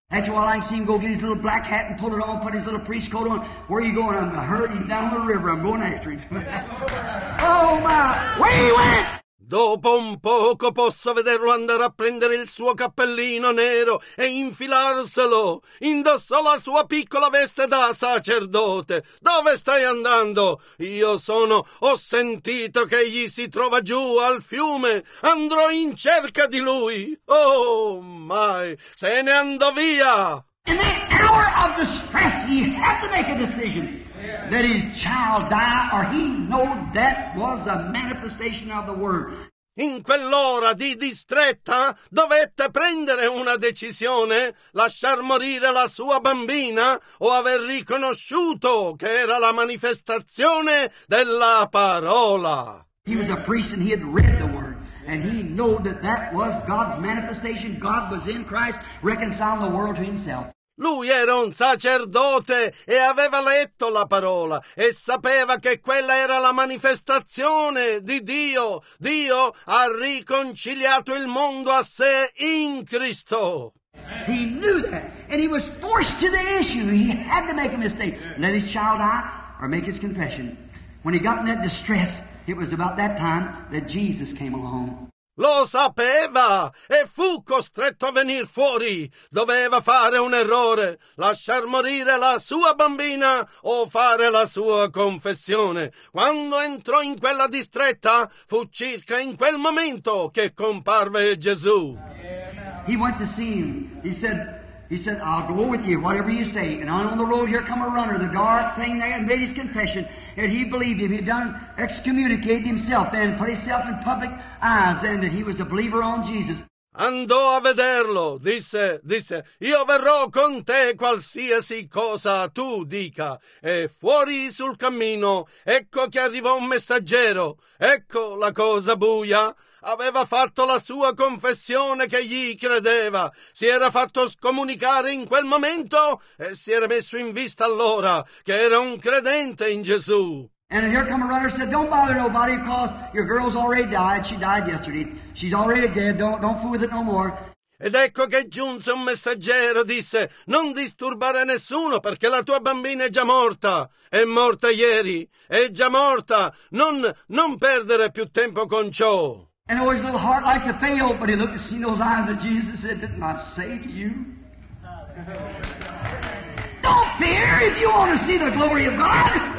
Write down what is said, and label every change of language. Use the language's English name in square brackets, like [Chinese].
[English] After a while, I see him go get his little black hat and pull it on, put his little priest coat on. Where are you going? I'm hurt. He's down the river. I'm going after him. Oh, my. Where he went? [Italian] Dopo un poco posso vederlo andare a prendere il suo cappellino nero e infilarselo. Indossò la sua piccola veste da sacerdote. Dove stai andando? Io sono... Ho sentito che egli si trova giù al fiume. Andrò in cerca di lui. Oh, mai! Se ne andò via! [English] In that hour of distress, he had to make a decision. Let his child die, or he knew that was a manifestation of the word. [Italian] In quell'ora di distretta dovette prendere una decisione, lasciar morire la sua bambina o aver riconosciuto che era la manifestazione della parola. [English] He was a priest and he had read the word. And he knew that that was God's manifestation. God was in Christ, reconciling the world to himself. [Italian] Lui era un sacerdote e aveva letto la parola e sapeva che quella era la manifestazione di Dio. Dio ha riconciliato il mondo a sé in Cristo. [English] He knew that, and he was forced to the issue. He had to make a mistake. Let his child die or make his confession. When he got in that distress, it was about that time that Jesus came along. [Italian] Lo sapeva e fu costretto a venir fuori. Doveva fare un errore, lasciar morire la sua bambina o fare la sua confessione. Quando entrò in quella distretta, fu circa in quel momento che comparve Gesù. [English] He went to see him. He said, I'll go with you, whatever you say. And on the road, here come a runner, the dark thing there, and made his confession. And he believed him. He'd done excommunicated himself and put himself in public eyes and that he was a believer on Jesus. [Italian] Andò a vederlo, disse, io verrò con te qualsiasi cosa tu dica. E fuori sul cammino, ecco che arrivò un messaggero, ecco la cosa buia. Aveva fatto la sua confessione che gli credeva, si era fatto scomunicare in quel momento e si era messo in vista allora che era un credente in Gesù. [English] And here come a runner said, don't bother nobody because your girl's already died. She died yesterday. She's already dead. Don't fool with it no more. [Italian] Ed ecco che giunse un messaggero, disse, non disturbare nessuno perché la tua bambina è già morta. È morta ieri. È già morta. Non perdere più tempo con ciò. [English] And always a little heart like to fail, but he looked to see those eyes of Jesus and said, didn't I say to you? Don't fear if you want to see the glory of God.